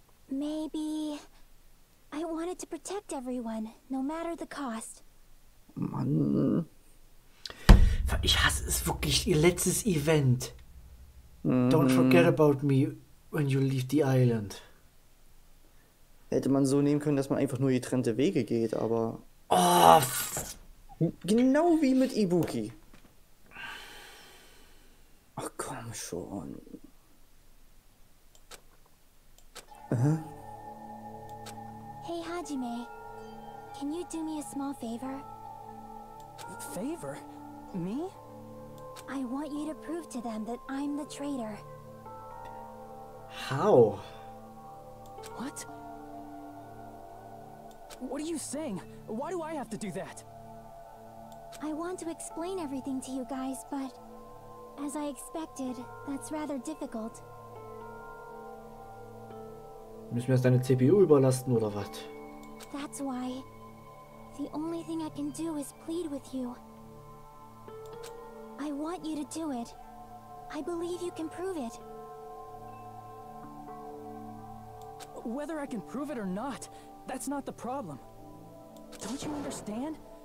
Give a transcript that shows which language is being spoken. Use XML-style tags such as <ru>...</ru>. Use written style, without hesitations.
<en>Maybe... I wanted to protect everyone, no matter the cost.</en> <de>Mann... ich hasse es wirklich, ihr letztes Event.</de> <en>Don't forget about me when you leave the island.</en> <de>Hätte man so nehmen können, dass man einfach nur getrennte Wege geht, aber... Oh, genau wie mit Ibuki. Ach, komm schon.</de> <en>Hey, Hajime. Can you do me a small favor? Favor? Me? I want you to prove to them that I'm the traitor. How? What? What are you saying? Why do I have to do that? I want to explain everything to you guys, but... as I expected, that's rather difficult.</en> <de>Müssen wir es deine CPU überlasten, oder was?</de> <en>That's why... the only thing I can do is plead with you. I want you to do it. I believe you can prove it. Whether I can prove it or not, that's not the problem. Don't you understand?</en>